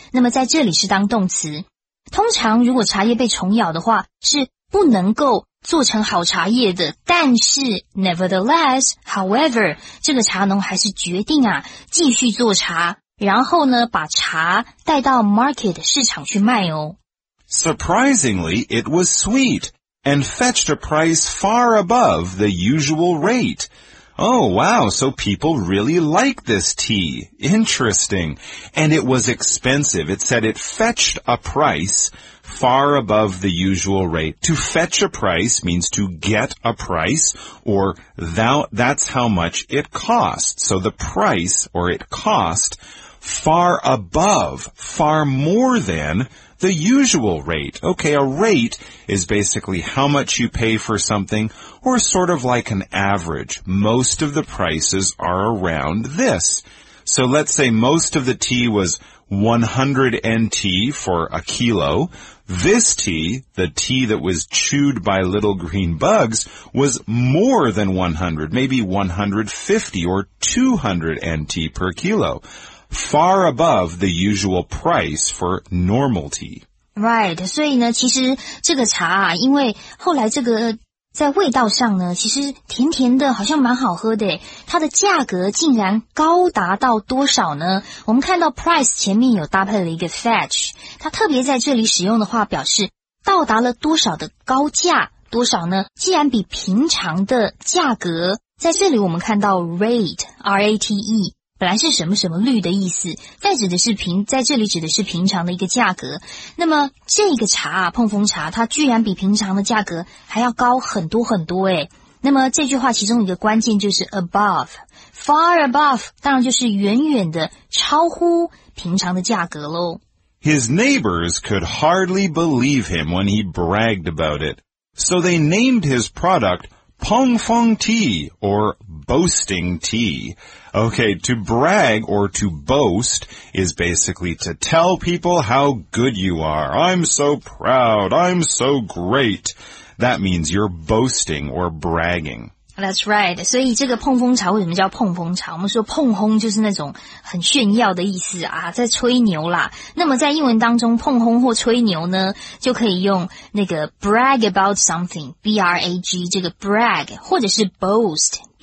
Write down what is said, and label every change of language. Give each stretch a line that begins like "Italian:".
Chinese: 那么在这里是当动词。通常如果茶叶被虫咬的话，是不能够做成好茶叶的，但是
English: nevertheless, however,
Chinese: 这个茶农还是决定啊，继续做茶，然后呢，把茶带到 market 市场去卖哦。
English: Surprisingly, it was sweet. And fetched a price far above the usual rate. Oh, wow, so people really like this tea. Interesting. And it was expensive. It said it fetched a price far above the usual rate. To fetch a price means to get a price, or that's how much it cost. So the price, or it cost, far above, far more than,The usual rate. Okay, a rate is basically how much you pay for something, or sort of like an average. Most of the prices are around this. So let's say most of the tea was 100 NT for a kilo. This tea, the tea that was chewed by little green bugs, was more than 100, maybe 150 or 200 NT per kilo. Far above the usual price for normal tea.
Chinese: Right, 所以呢，其实这个茶啊，因为后来这个在味道上呢，其实甜甜的，好像蛮好喝的。它的价格竟然高达到多少呢？我们看到 price 前面有搭配了一个 fetch， 它特别在这里使用的话，表示到达了多少的高价，多少呢？既然比平常的价格，在这里我们看到 rate, R-A-T-E。本来是什么什么绿的意思，在这里指的是平常的一个价格。那么这个茶啊，碰风茶，它居然比平常的价格还要高很多很多诶。那么这句话其中一个关键就是
English: above, far above,
Chinese: 当然就是远远的超乎平常的价格咯。
English: His neighbors could hardly believe him when he bragged about it. So they named his product Pongfong Tea, or boasting tea. Okay, to brag or to boast is basically to tell people how good you are. I'm so proud. I'm so great. That means you're boasting or bragging. That's right.
Chinese: 所以这个碰风茶为什么叫碰风茶？我们说碰轰就是那种很炫耀的意思啊，在吹牛啦。那么在英文当中碰轰或吹牛呢，就可以用那个
English: brag about something,
Chinese: B-R-A-G, 这个 brag, 或者是 boast,B-O-A-S-T.